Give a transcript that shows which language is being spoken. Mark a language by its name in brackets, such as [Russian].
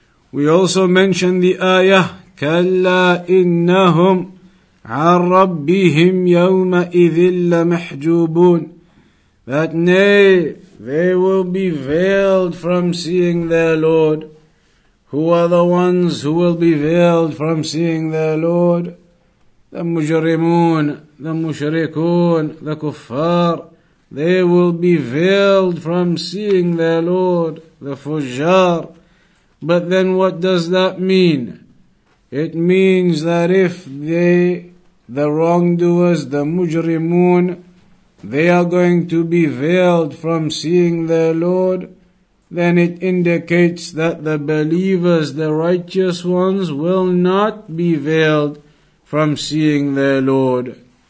[English] We also mention the ayah, [Arabic] كَلَّا إِنَّهُمْ عَنْ رَبِّهِمْ يَوْمَئِذٍ لَمَحْجُوبُونَ [English] That nay, they will be veiled from seeing their Lord. Who are the ones who will be veiled from seeing their Lord? The مجرمون, the مشركون, the كفار. They will be veiled from seeing their Lord, the فجار. But then what does that mean? It means that if they, the wrongdoers, the mujrimun, they are going to be veiled from seeing their Lord, then it indicates that the believers, the righteous ones, will not be veiled from seeing their Lord.